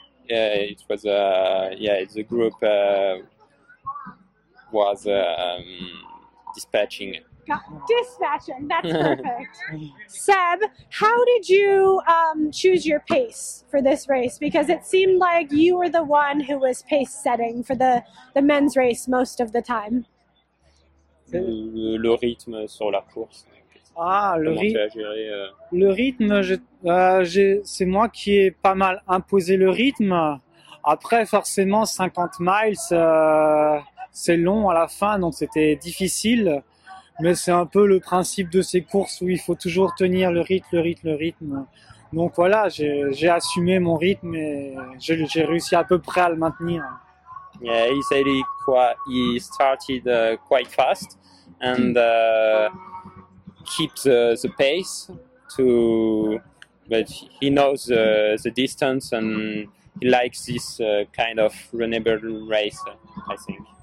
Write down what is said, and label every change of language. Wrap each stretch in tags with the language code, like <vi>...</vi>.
<en>The group was dispatching. Dispatching, that's perfect. Seb, how did you choose your pace for this race? Because it seemed like you were the one who was pace setting for the men's race most of the time.</en> <fr>Le rythme sur la course. Ah, le rythme, c'est moi qui ai pas mal imposé le rythme. Après, forcément, 50 miles, c'est long à la fin, donc c'était difficile. Mais c'est un peu le principe de ces courses où il faut toujours tenir le rythme. Donc voilà, j'ai assumé mon rythme et j'ai réussi à peu près à le maintenir.</fr> <en>Yeah, he started quite fast and keep the pace but he knows the distance and he likes this kind of runnable race, I think.</en>